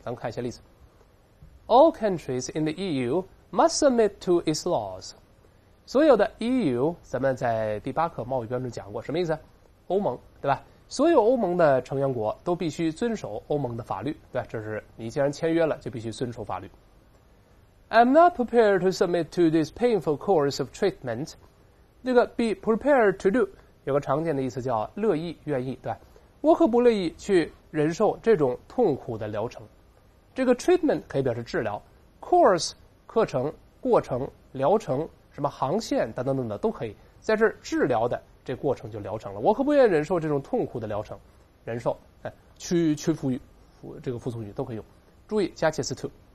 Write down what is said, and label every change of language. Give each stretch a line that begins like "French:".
Chinese: 咱们看一下例子
English: ：All countries in the EU must submit to its laws。
Chinese: 所有的 EU， 咱们在第八课贸易标准讲过，什么意思？欧盟，对吧？所有欧盟的成员国都必须遵守欧盟的法律，对吧？这是你既然签约了，就必须遵守法律。
English: I'm not prepared to submit to this painful course of treatment.
Chinese: 那个
English: be prepared to do
Chinese: 有个常见的意思叫乐意、愿意，对吧？我可不乐意去忍受这种痛苦的疗程。这个 treatment 可以表示治疗 ，course 课程、过程、疗程、什么航线等等等等都可以。在这治疗的这过程就疗程了。我可不愿意忍受这种痛苦的疗程，忍受，哎，屈服于，这个服从于都可以用。注意加介词 to。